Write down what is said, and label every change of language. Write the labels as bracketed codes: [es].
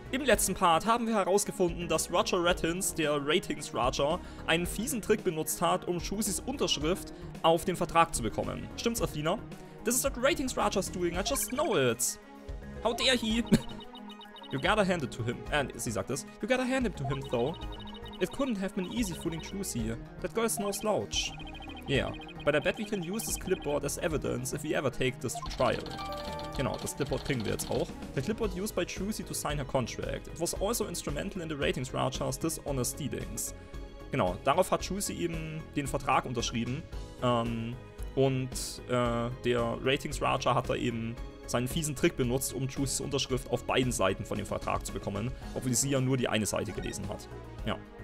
[de] Im letzten Part haben wir herausgefunden, dass Roger Rattins, der Ratings-Roger, einen fiesen Trick benutzt hat, um Shusys Unterschrift auf den Vertrag zu bekommen. Stimmt's, Athena? [en] This is what Ratings-Roger's doing, I just know it. How dare he? You gotta hand it to him. [de] Sie sagt es. [en] You gotta hand it to him, though. It couldn't have been easy fooling Shusy. That girl's no slouch. Yeah. But I bet we can use this clipboard as evidence if we ever take this to trial. [de] Genau, das Clipboard kriegen wir jetzt auch. [en] The clipboard used by Shusy to sign her contract. It was also instrumental in the ratings Roger's dishonest dealings. [de] Genau, darauf hat Shusy eben den Vertrag unterschrieben. Der ratings Roger hat da eben seinen fiesen Trick benutzt, um Shusys Unterschrift auf beiden Seiten von dem Vertrag zu bekommen. Obwohl sie ja nur die eine Seite gelesen hat. Ja.